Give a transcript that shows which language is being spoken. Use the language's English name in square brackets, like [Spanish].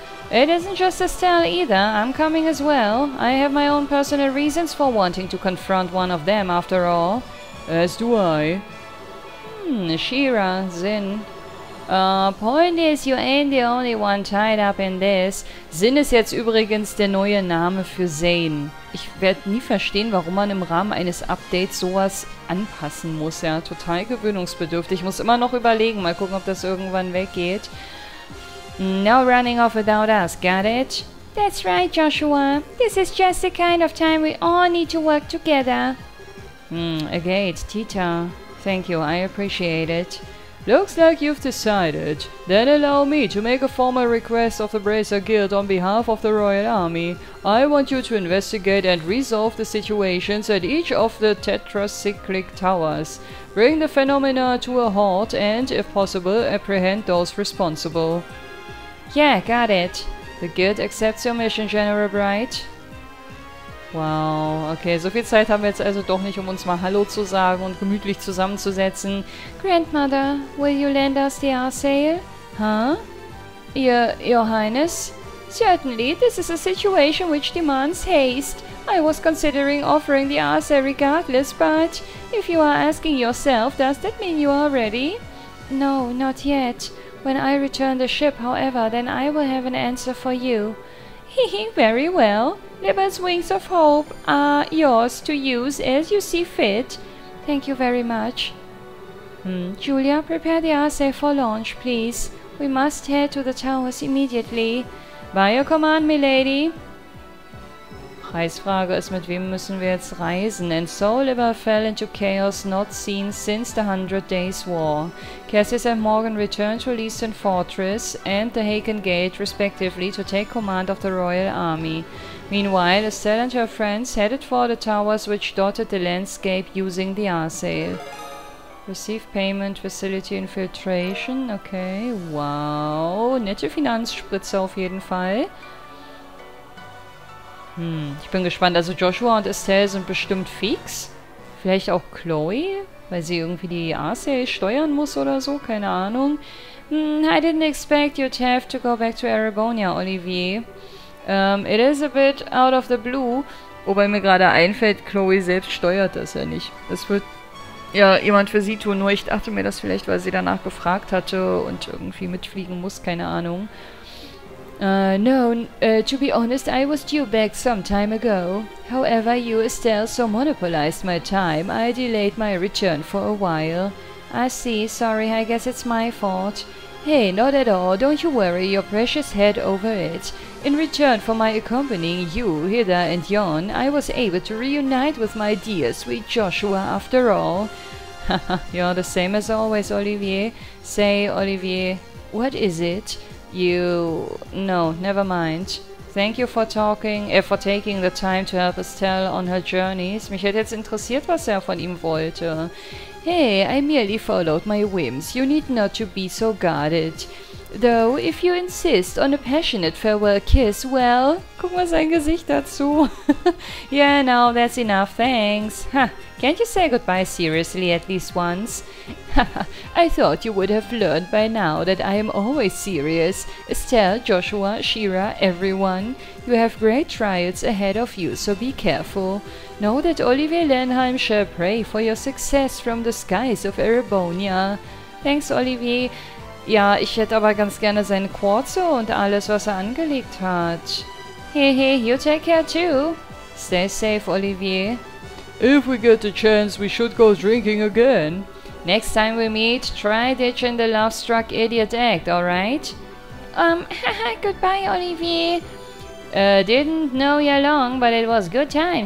[English] It isn't just Estelle either. I'm coming as well. I have my own personal reasons for wanting to confront one of them, after all. As do I. Shira, Zin. Point is, you ain't the only one tied up in this. [German] Zin ist jetzt übrigens der neue Name für Zane. Ich werde nie verstehen, warum man im Rahmen eines Updates sowas anpassen muss. Ja, total gewöhnungsbedürftig. Ich muss immer noch überlegen. Mal gucken, ob das irgendwann weggeht. [English] No running off without us, got it? That's right, Joshua. This is just the kind of time we all need to work together. Agate, Tita. Thank you, I appreciate it. Looks like you've decided. Then allow me to make a formal request of the Bracer Guild on behalf of the Royal Army. I want you to investigate and resolve the situations at each of the tetracyclic towers. Bring the phenomena to a halt and, if possible, apprehend those responsible. Yeah, got it. The Guild accepts your mission, General Bright. [German] Wow, okay, so viel Zeit haben wir jetzt also doch nicht, um uns mal Hallo zu sagen und gemütlich zusammenzusetzen. [English] Grandmother, will you lend us the R-Sail? Huh? Your Highness? Certainly, this is a situation which demands haste. I was considering offering the R-Sail regardless, but if you are asking yourself, does that mean you are ready? No, not yet. When I return the ship, however, then I will have an answer for you. Hehe, very well. Libel's Wings of Hope are yours to use as you see fit. Thank you very much. Julia, prepare the assay for launch, please. We must head to the towers immediately. By your command, milady. [German] Preisfrage ist, mit wem müssen wir jetzt reisen? [English] And so Libel fell into chaos not seen since the Hundred Days War. Cassius and Morgan returned to Leeson Fortress and the Haken Gate, respectively, to take command of the Royal Army. Meanwhile, Estelle and her friends headed for the towers which dotted the landscape using the R-Sail. Receive payment, facility infiltration, okay, wow, [German] nette Finanzspritze auf jeden Fall. Ich bin gespannt, also Joshua und Estelle sind bestimmt fix. Vielleicht auch Chloe, weil sie irgendwie die R-Sail steuern muss oder so, keine Ahnung. [English] I didn't expect you'd have to go back to Erebonia, Olivier. It is a bit out of the blue. [German] Wobei mir gerade einfällt, Chloe selbst steuert das ja nicht. Das wird ja jemand für sie tun, nur ich dachte mir das vielleicht, weil sie danach gefragt hatte und irgendwie mitfliegen muss, keine Ahnung. [English] To be honest, I was due back some time ago. However, you Estelle so monopolized my time, I delayed my return for a while. I see, sorry, I guess it's my fault. Hey, not at all, don't you worry your precious head over it. In return for my accompanying you hither and yon, I was able to reunite with my dear sweet Joshua after all. Haha, you're the same as always, Olivier. Say, Olivier, what is it? No, never mind. Thank you for taking the time to help Estelle on her journeys. [German] Mich hätte jetzt interessiert, was er von ihm wollte. [English] Hey, I merely followed my whims. You need not to be so guarded. Though, if you insist on a passionate farewell kiss, well... [German] Guck mal sein Gesicht dazu. [English] Yeah, now that's enough, thanks. Ha, can't you say goodbye seriously at least once? Ha, I thought you would have learned by now that I am always serious. Estelle, Joshua, Shira, everyone. You have great trials ahead of you, so be careful. Know that Olivier Lenheim shall pray for your success from the skies of Erebonia. Thanks, Olivier. [German] Ja, ich hätte aber ganz gerne seine Quarze und alles, was er angelegt hat. [English] Hehe, you take care too. Stay safe, Olivier. If we get the chance, we should go drinking again. Next time we meet, try ditching the love-struck idiot act, alright? Haha, goodbye, Olivier. Didn't know you long, but it was good time.